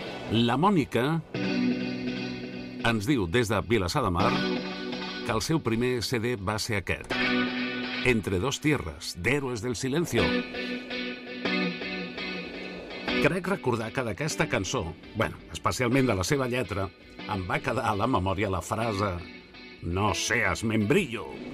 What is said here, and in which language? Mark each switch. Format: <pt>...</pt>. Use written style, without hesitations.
<ca>La Mònica ens diu des de Vilassar de Mar que el seu primer CD va ser aquest.</ca> <es>Entre dos tierras, d'Héroes del Silencio.</es> <ca>Crec recordar que d'aquesta cançó, bueno, especialment de la seva lletra, em va quedar a la memòria la frase</ca> <es>«No seas membrillo».</es>